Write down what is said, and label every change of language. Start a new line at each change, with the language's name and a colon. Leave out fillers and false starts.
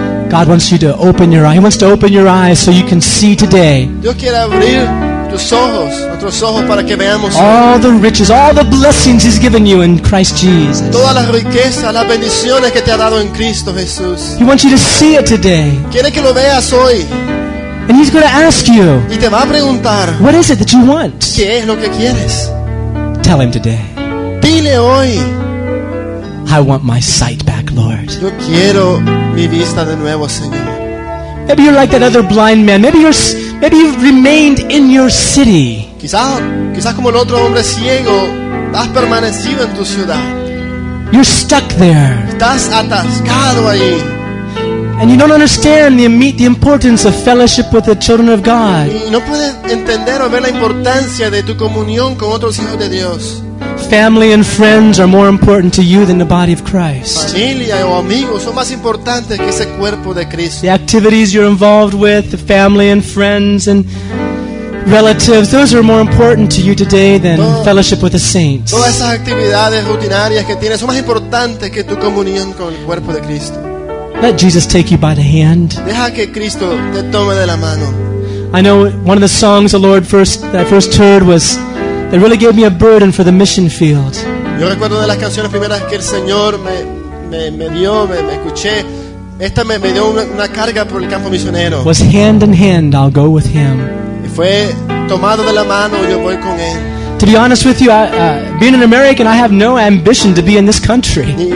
English: God wants you to open your eyes. He wants to open your eyes so you can see today.
Spanish: Dios quiere abrir tus ojos, nuestros ojos para que veamos
English: all the riches, all the blessings he's given you in Christ Jesus.
Spanish: Todas las riquezas, las bendiciones que te ha dado en Cristo Jesús.
English: He wants you to see it today.
Spanish: Quiere que lo veas hoy.
English: And he's going to ask you.
Spanish: Y te va a preguntar.
English: What is it that you want?
Spanish: ¿Qué es lo que quieres?
English: Tell him today.
Spanish: Dile hoy.
English: I want my sight back, Lord.
Spanish: Yo quiero mi vista de nuevo, Señor.
English: Maybe you're like that other blind man. Maybe you've remained in your city.
Spanish: Quizás como el otro hombre ciego, has permanecido en tu ciudad.
English: You're stuck there.
Spanish: Estás atascado ahí.
English: And you don't understand the importance of fellowship with the children of God.
Spanish: Y no puedes entender o ver la importancia de tu comunión con otros hijos de Dios.
English: Family and friends are more important to you than the body of Christ.
Spanish: Familia o amigos son más importantes que ese cuerpo de Cristo.
English: The activities you're involved with, the family and friends and relatives, those are more important to you today than fellowship with the saints.
Spanish: Todas esas actividades rutinarias que tienes son más importantes que tu comunión con el cuerpo de Cristo.
English: Let Jesus take you by the hand.
Spanish: Deja que Cristo te tome de la mano.
English: I know one of the songs the Lord that I first heard was that really gave me a burden for the mission field.
Spanish: Yo recuerdo de las canciones primeras que el Señor me dio, me escuché. Esta me dio una carga por el campo misionero.
English: Was hand in hand, I'll go with him.
Spanish: Fue tomado de la mano, yo voy con él.
English: To be honest with you, being an American, I have no ambition to be in this country.